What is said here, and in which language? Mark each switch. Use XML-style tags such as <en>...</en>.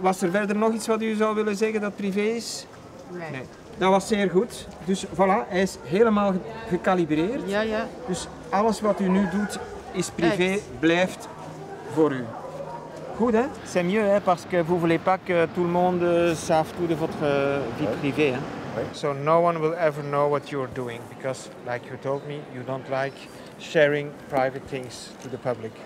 <nl>Was er verder nog iets wat u zou willen zeggen dat privé is? Nee. Dat was zeer goed. Dus voilà, hij is helemaal gecalibreerd. Ja, ja. Dus alles wat u nu doet is privé, blijft voor u. Goed, hè?</nl> <fr>C'est mieux, hein, parce que vous voulez pas que tout le monde sache tout de votre vie privée, hein?</fr> <en>So no one will ever know what you're doing, because like you told me, you don't like sharing private things to the public.</en>